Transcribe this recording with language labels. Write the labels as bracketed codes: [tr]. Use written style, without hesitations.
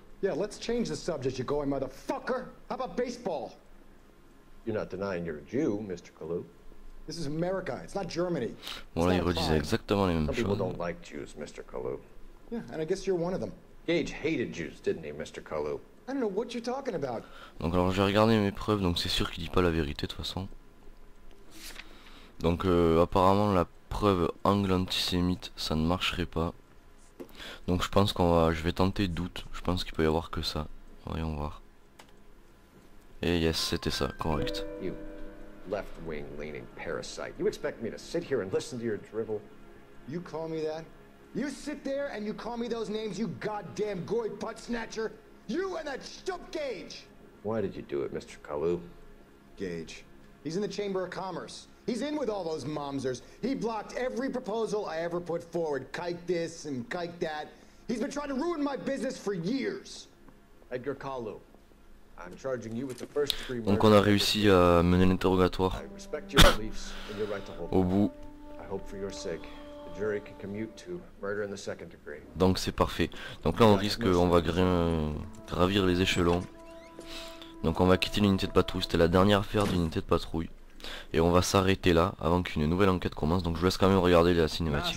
[en] Yeah, let's change the subject, you going motherfucker. How about baseball? You're not denying you're a Jew, Mr. Kalu. This is America, it's not Germany. [fr] Voilà, ils redisaient exactement les mêmes choses. [en] Some people don't like Jews, Mr. Kalu. Yeah, and I guess you're one of them. Gage hated Jews, didn't he, Mr. Kalu? I don't know what you're talking about. [fr] Donc alors, j'ai regardé mes preuves, donc c'est sûr qu'il dit pas la vérité, de toute façon. Donc apparemment, la preuve angle antisémite, ça ne marcherait pas. Donc je pense qu'on va... Je vais tenter doute, je pense qu'il peut y avoir que ça. Voyons voir. Et yes, c'était ça, correct. [en] You left-wing leaning parasite. You expect me to sit here and listen to your drivel? You call me that? You sit there and you call me those names, you goddamn goy butt snatcher? You and that stump Gage! Why did you do it, Mr. Kalu? Gage. He's in the Chamber of Commerce. He's in with all those momsers. He blocked every proposal I ever put forward. Kike this and kike that. He's been trying to ruin my business for years. Edgar Kalu. I'm charging you with the first three murders. [fr] Donc on a réussi à mener l'interrogatoire. [en] I respect your beliefs and your right to hold. [fr] Au bout. [en] I hope for your sake the jury can commute to murder in the second degree. [fr] Donc c'est parfait. Donc là on risque, on va gravir les échelons. Donc on va quitter l'unité de patrouille. C'était la dernière affaire d'unité de patrouille. Et on va s'arrêter là avant qu'une nouvelle enquête commence. Donc je laisse quand même regarder la cinématique.